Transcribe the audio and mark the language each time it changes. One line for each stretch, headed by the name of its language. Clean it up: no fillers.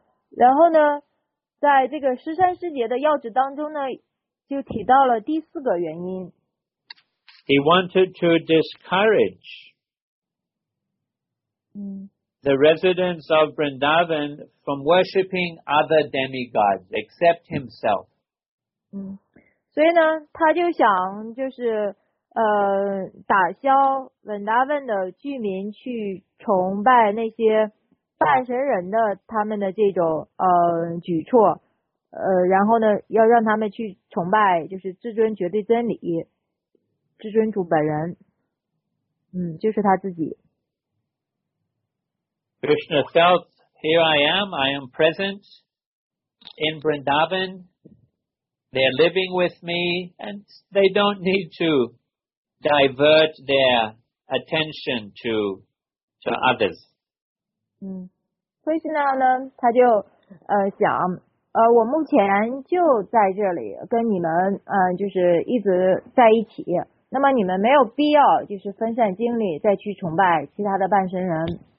Chinese: 然后呢，在这个十三诗节的要旨当中呢，就提到了第四个原因。
English: He wanted to discourage the residents of Vrindavan from worshipping other demigods except himself.
Chinese: 所以呢，他就想就是打消 Vrindavan 的居民去崇拜那些半神人的他们的这种举措，然后呢要让他们去崇拜就是至尊绝对真理，至尊主本人，就是他自己。
English: Krishna felt, here I am present in Vrindavan. They're living with me, and they don't need to divert their attention to others.
Chinese: Krishna 呢，他就想，我目前就在这里跟你们，就是一直在一起。那么你们没有必要就是分散精力再去崇拜其他的半神人。